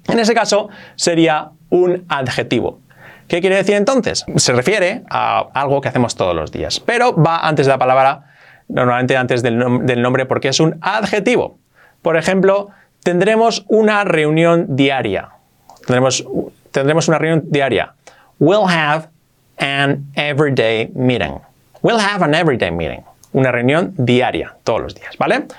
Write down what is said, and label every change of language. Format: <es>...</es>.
<es>En ese caso, sería un adjetivo. ¿Qué quiere decir entonces? Se refiere a algo que hacemos todos los días, pero va antes de la palabra, normalmente antes del nombre, porque es un adjetivo. Por ejemplo, tendremos una reunión diaria. Tendremos una reunión diaria.</es> <en>We'll have an everyday meeting. We'll have an everyday meeting.</en> <es>Una reunión diaria, todos los días, ¿vale?</es>